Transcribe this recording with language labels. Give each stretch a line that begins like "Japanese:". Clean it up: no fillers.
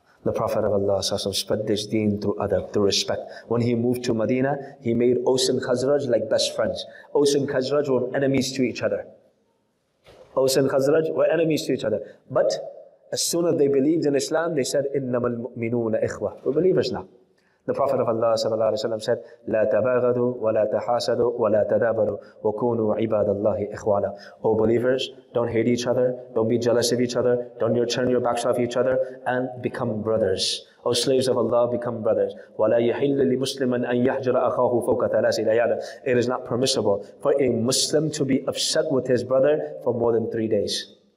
English: The Prophet of Allah spread this deen through adab, through respect. When he moved to Medina, he made Aws and Khazraj like best friends. Aws and Khazraj were enemies to each other. Aws and Khazraj were enemies to each other. But as soon as they believed in Islam, they said,
Arabic: إِنَّمَا الْمُؤْمِنُونَ إِخْوَةٌ.
English: We're believers now. The Prophet of Allah said,
Arabic: لَا تَبَاغَدُوا وَلَا تَحَاسَدُوا وَلَا تَدَابَرُوا وَكُونُوا عِبَادَ اللَّهِ إِخْوَانًا.
English: O believers, don't hate each other, don't be jealous of each other, don't turn your backs off each other, and become brothers. O slaves of Allah, become brothers.
Arabic: وَلَا يَحِلَّ لِمُسْلِمًا أَن يَحْجَرَ أَخَاهُ فَوْكَ ثَلَاثِ لَيَالٍ.
English: It is not permissible for a Muslim to be upset with his brother for more than 3 days.